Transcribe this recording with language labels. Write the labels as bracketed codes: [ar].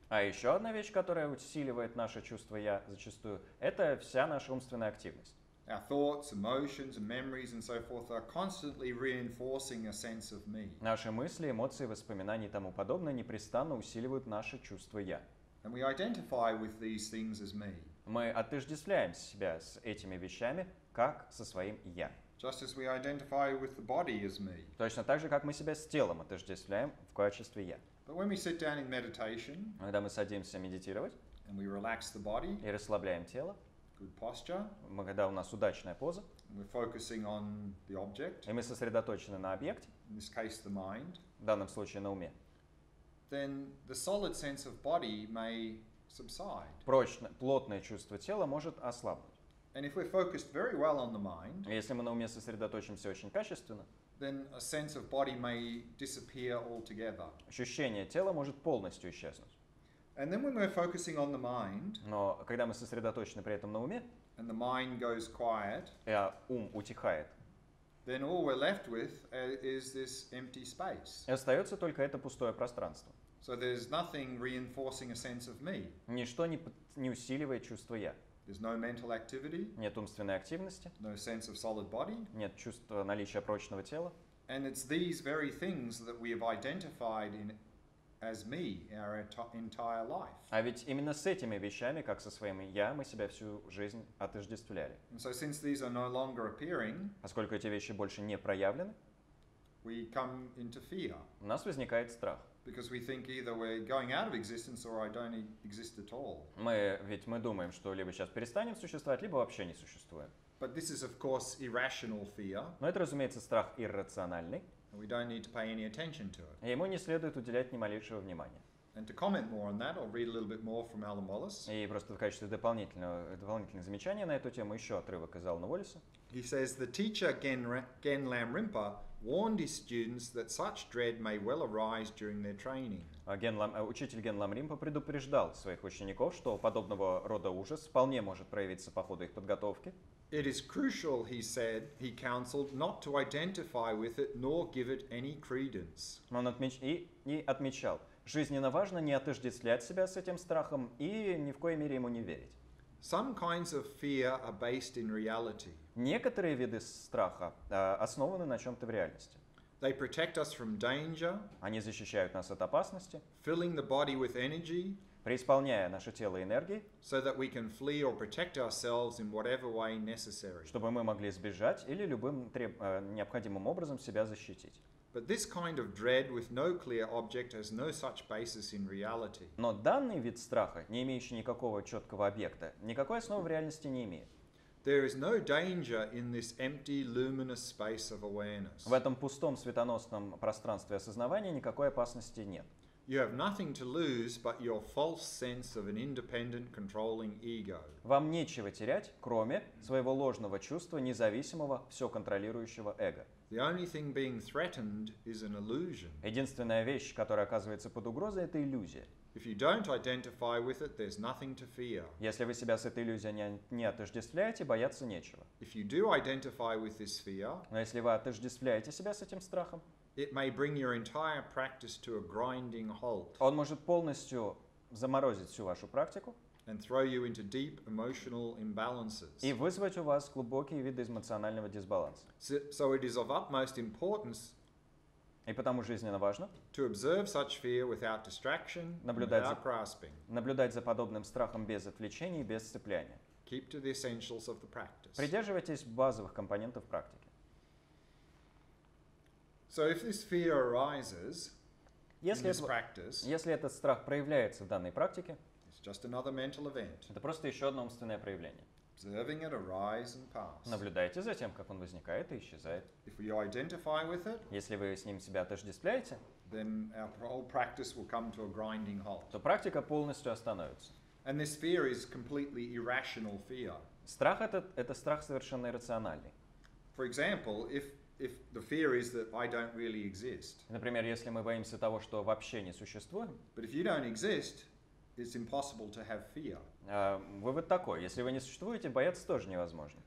[ru] А еще одна вещь, которая усиливает наше чувство я зачастую, это вся наша умственная активность. [en] Our thoughts, emotions, and memories and so forth are constantly reinforcing a sense of me. [ru] Наши мысли, эмоции, воспоминания и тому подобное непрестанно усиливают наше чувство я. [en] And we identify with these things as me. [ru] Мы отождествляем себя с этими вещами как со своим я. [en] Just as we identify with the body as me. [ru] Точно так же, как мы себя с телом отождествляем в качестве я. [en] But when we sit down in meditation, [ru] когда мы садимся медитировать, [en] and we relax the body, [ru] и расслабляем тело, [en] good posture, [ru] мы, когда у нас удачная поза, [en] and we're focusing on the object, [ru] и мы сосредоточены на объекте, [en] in this case the mind, [ru] в данном случае на уме, [en] then the solid sense of body may subside. [ru] Прочное, плотное чувство тела может ослабнуть. [en] And if we're focused very well on the mind, [ru] если мы на уме сосредоточимся очень качественно, [en] then a sense of body may disappear altogether. [ru] Ощущение тела может полностью исчезнуть. [en] And then when we're focusing on the mind, [ru] но когда мы сосредоточены при этом на уме, [en] and the mind goes quiet, [ru] и ум утихает, [en] then all we're left with is this empty space. [ru] И остается только это пустое пространство. [en] So there's nothing reinforcing a sense of me. [ru] Ничто не усиливает чувство я. [en] There's no mental activity. [ru] Нет умственной активности. [en] No sense of solid body. [ru] Нет чувства наличия прочного тела. [en] And it's these very things that we have identified in as me our entire life. [ru] А ведь именно с этими вещами, как со своим я, мы себя всю жизнь отождествляли. [en] And so since these are no longer appearing, [ru] поскольку эти вещи больше не проявлены, [en] we come into fear. [ru] У нас возникает страх. [en] Because we think either we're going out of existence or I don't exist at all. [ru] Мы думаем, что либо сейчас перестанем существовать, либо вообще не существуем. [en] But this is, of course, irrational fear. [ru] Но это, разумеется, страх иррациональный. [en] And we don't need to pay any attention to it. [ru] И ему не следует уделять ни малейшего внимания. [en] And to comment more on that, I'll read a little bit more from Alan Wallace. [ru] И просто в качестве дополнительного замечания на эту тему еще отрывок из Алана Уоллеса. [en] He says the teacher Gen Lam Rinpa warned his students that such dread may well arise during their training. [ru] Учитель Ген Лам Ринпа предупреждал своих учеников, что подобного рода ужас вполне может проявиться по ходу их подготовки. [en] It is crucial, he said, he counseled, not to identify with it nor give it any credence. [ru] Он отмечал, жизненно важно не отождествлять себя с этим страхом и ни в коей мере ему не верить. [en] Some kinds of fear are based in reality. [ru] Некоторые виды страха основаны на чем-то в реальности. [en] They protect us from danger, [ru] они защищают нас от опасности, [en] filling the body with energy, [ru] преисполняя наше тело энергией, [en] so that we can flee or protect ourselves in whatever way necessary. [ru] Чтобы мы могли сбежать или любым необходимым образом себя защитить. [en] But this kind of dread with no clear object has no such basis in reality. [ru] Но данный вид страха, не имеющий никакого четкого объекта, никакой основы в реальности не имеет. [en] There is no danger in this empty, luminous space of awareness. [ru] В этом пустом светоносном пространстве осознавания никакой опасности нет. [en] You have nothing to lose but your false sense of an independent, controlling ego. [ru] Вам нечего терять, кроме своего ложного чувства независимого, все контролирующего эго. [en] The only thing being threatened is an illusion. [ru] Единственная вещь, которая оказывается под угрозой, это иллюзия. [en] If you don't identify with it, there's nothing to fear. [ru] Если вы себя с этой иллюзией не отождествляете, бояться нечего. [en] If you do identify with this fear, [ru] но если вы отождествляете себя с этим страхом, [en] it may bring your entire practice to a grinding halt. [ru] Он может полностью заморозить всю вашу практику [en] and throw you into deep emotional imbalances. [ru] И вызвать у вас глубокие виды эмоционального дисбаланса. [en] So it is of utmost importance. [ru] И потому жизненно важно [en] to observe such fear without distraction, [ru] наблюдать, [en] without grasping. [ru] Наблюдать за подобным страхом без отвлечений и без цепляния. [en] Keep to the essentials of the practice. [ru] Придерживайтесь базовых компонентов практики. [en] So if this fear arises [ru] если [en] in this practice, [ru] если этот страх проявляется в данной практике, [en] it's just another mental event. [ru] Это просто еще одно умственное проявление. [en] Observing it arise and pass. [ru] Наблюдайте за тем, как он возникает и исчезает. [en] If you identify with it, [ru] если вы с ним себя отождествляете, [en] then our whole practice will come to a grinding halt. [ru] То практика полностью остановится. [en] And this fear is completely irrational fear. [ru] Страх этот — это страх совершенно иррациональный. [en] For example, if the fear is that I don't really exist. [ru] Например, если мы боимся того, что вообще не существуем. [en] But if you don't exist, it's impossible to have fear. [ru] Вывод такой: если вы не существуете, бояться тоже невозможно.